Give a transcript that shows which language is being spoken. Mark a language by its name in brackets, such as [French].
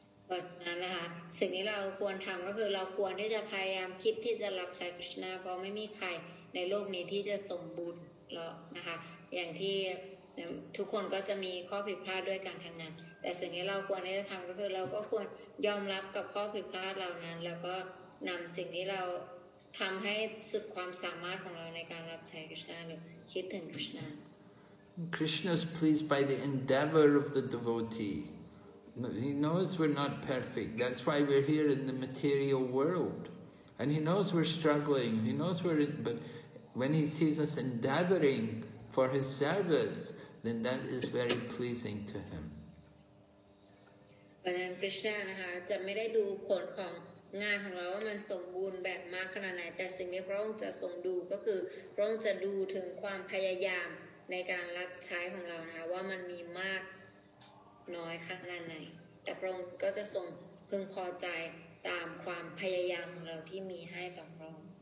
[Thai] But นะคะสิ่งที่เราควรทำก็คือเราควรที่จะพยายามคิดที่จะรับใช้คริสต์นะเพราะไม่มีใครในโลกนี้ที่จะสมบูรณ์หรอกนะคะอย่างที่ทุกคนก็จะมีข้อผิดพลาดด้วยการทำงานแต่สิ่งที่เราควรที่จะทำก็คือเราก็ควรยอมรับกับข้อผิดพลาดเหล่านั้นแล้วก็นำสิ่งที่เราทำให้สุดความสามารถของเราในการรับใช้คริสต์นะหรือคิดถึงคริสต์นะ [English] Krishna is pleased by the endeavor of the devotee. He knows we're not perfect. That's why we're here in the material world. And He knows we're struggling. He knows we're... But when He sees us endeavoring for His service, then that is very pleasing to Him. But then [Thai] Krishna, นะคะ จะไม่ได้ดูผลของงานของเราว่ามันสมบูรณ์แบบมากขนาดไหน แต่สิ่งที่พระองค์จะทรงดูก็คือพระองค์จะดูถึงความพยายามในการรับใช้ของเรานะคะ ว่ามันมีมากน้อยขนาดไหนแต่พระองค์ก็จะส่งพึงพอใจตามความพยายามของเราที่มีให้ต่อพระองค์